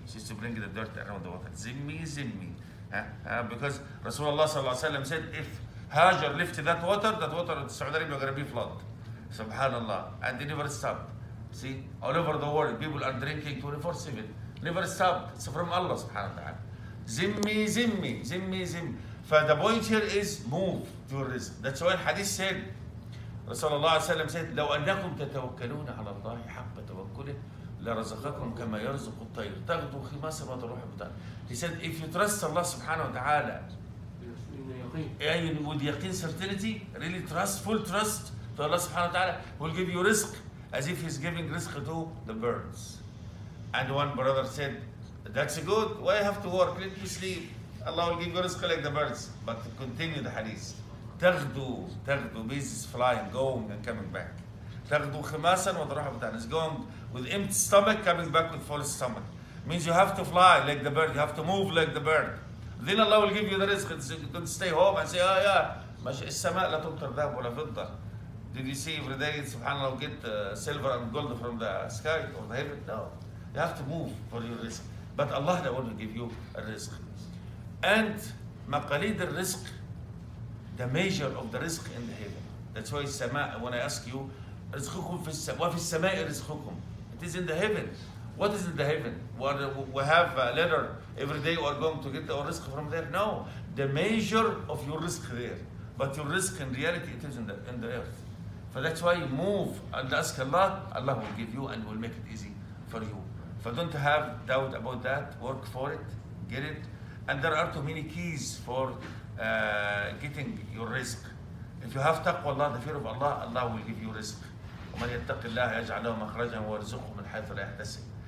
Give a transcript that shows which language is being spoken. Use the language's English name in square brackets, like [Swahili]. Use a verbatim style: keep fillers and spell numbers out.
[English] She used to bring the dirt around the water. Zimmi, Zimmi. Uh, uh, because Rasulullah ﷺ said, if Hajar lifted that water, that water in Saudi Arabia is going to be flooded. Subhanallah. And they never stopped. See, all over the world, people are drinking twenty-four seven. Never stopped. It's from Allah subhanahu wa ta'ala. Zimmi, Zimmi, Zimmi, Zimmi. For the point here is move to rizq. That's why Hadith said, Rasulullah ﷺ said, [Arabic] لو أنكم تتوكلون على الله حق توكله لرزقكم كما يرزق الطير تغدو خماسا وتروح بطن. [English] He said, if you trust Allah subhanahu wa ta'ala, with yaqeen certainty, really trust, full trust to Allah subhanahu wa ta'ala, will give you rizq as if he's giving rizq to the birds. And one brother said, that's good. Why have to work? Let me sleep. Allah will give you rizq like the birds. But continue the hadith. تغدو, تغدو means flying, going and coming back. [Arabic] تغدو خماسا وتروح بطن. [English] It's going with empty stomach, coming back with full stomach. Means you have to fly like the bird. You have to move like the bird. Then Allah will give you the rizq. You can stay home and say, ah, yeah. [Arabic] السماء لا تمطر ذهب ولا فضة. [English] Did you see every day, subhanAllah, get uh, silver and gold from the sky or the heaven? No. You have to move for your rizq. But Allah the one will give you a rizq. And maqalid al-rizq, the measure of the rizq in the heaven. That's why when I ask you, [Arabic] rizqukum fi as-sama' wa fi as-sama'i rizqukum. [English] It is in the heaven. What is in the heaven? We have a letter every day. We are going to get our risk from there. No, the measure of your risk there, but your risk in reality it is in the in the earth. So that's why you move and ask Allah. Allah will give you and will make it easy for you. So don't have doubt about that. Work for it, get it. And there are too many keys for uh, getting your risk. If you have taqwa Allah, the fear of Allah, Allah will give you risk. [Arabic] ومن يتق الله يجعل له مخرجا ويرزقه من حيث لا يحتسب.